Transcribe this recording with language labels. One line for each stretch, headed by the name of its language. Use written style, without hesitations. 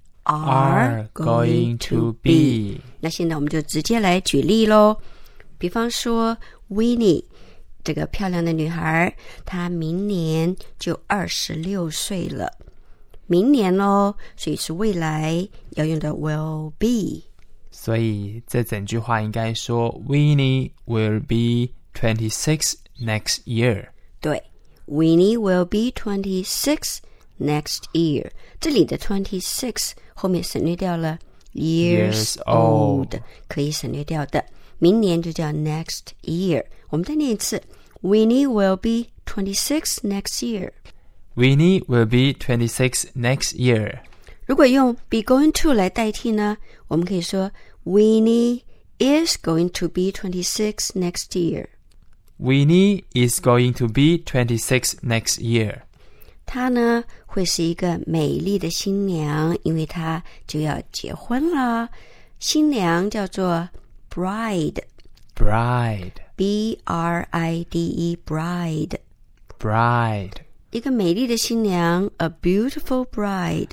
English: are going to be。
Chinese: 那现在我们就直接来举例咯，比方说 Winnie 这个漂亮的女孩，她明年就26岁了，明年咯，所以是未来要用的 will be。所以这整句话应该说
English: Winnie will be 26 next year。对， Winnie will be 26 next year。
Chinese: 这里的26后面省略掉了
English: years old，
Chinese: 可以省略掉的，明年就叫
English: next year。
Chinese: 我们再念一次，
English: Winnie will be 26 next year。 Winnie will be 26 next year。
Chinese: 如果用 be going to 来代替呢，我们可以说
English: Winnie is going to be 26 next year. Winnie is going to be 26 next year.
Chinese: 她呢会是一个美丽的新娘，因为她就要结婚了。新娘叫做 bride.
English: Bride. B-R-I-D-E, bride. Bride.
Chinese: 一个美丽的新娘
English: A beautiful bride。